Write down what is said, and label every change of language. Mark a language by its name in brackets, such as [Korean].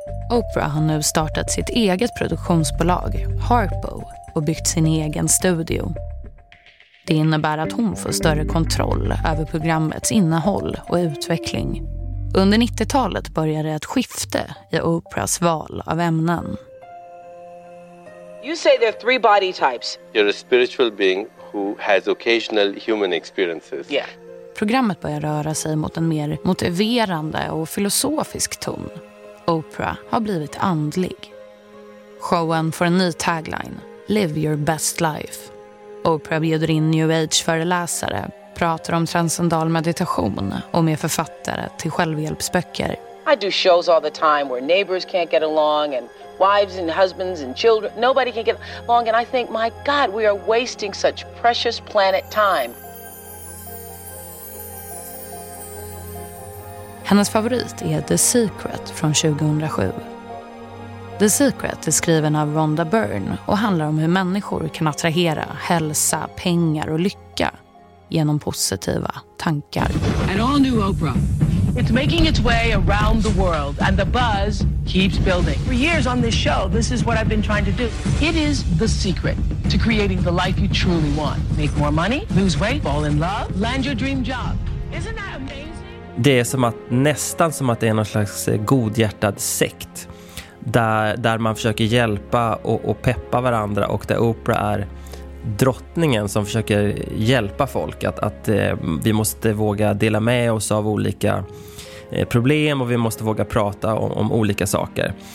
[Swedish] Oprah har nu startat sitt eget produktionsbolag, Harpo, och byggt sin egen studio. Det innebär att hon får större kontroll över programmets innehåll och utveckling. Under 90-talet började ett skifte i Oprahs val av ämnen. [English] You say there are three body types. You're a spiritual being who has occasional human experiences. Yeah. [Swedish] Programmet börjar röra sig mot en mer motiverande och filosofisk ton. Oprah har blivit andlig. Showen får en ny tagline, [English] Live your best life. [Swedish] Oprah bjuder in New Age-föreläsare, pratar om transcendental meditation och med författare till självhjälpsböcker. [English] I do shows all the time where neighbors can't get along and wives and husbands and children, nobody can get along, and I think, my God, we are wasting such precious planet time. [Swedish] Hennes favorit är The Secret från 2007. The Secret är skriven av Rhonda Byrne och handlar om hur människor kan attrahera hälsa, pengar och lycka genom positiva tankar. [English] An all new Oprah. It's making its way around the world and the buzz keeps building. For years on this show, this is what I've been trying to do. It is the secret to creating the life you truly want. Make more money, lose weight, fall in love, land your dream job. Isn't that amazing? [Swedish] Det är som att nästan som att det är någon slags godhjärtad sekt där man försöker hjälpa och peppa varandra, och där Oprah är drottningen som försöker hjälpa folk att vi måste våga dela med oss av olika problem och vi måste våga prata om olika saker.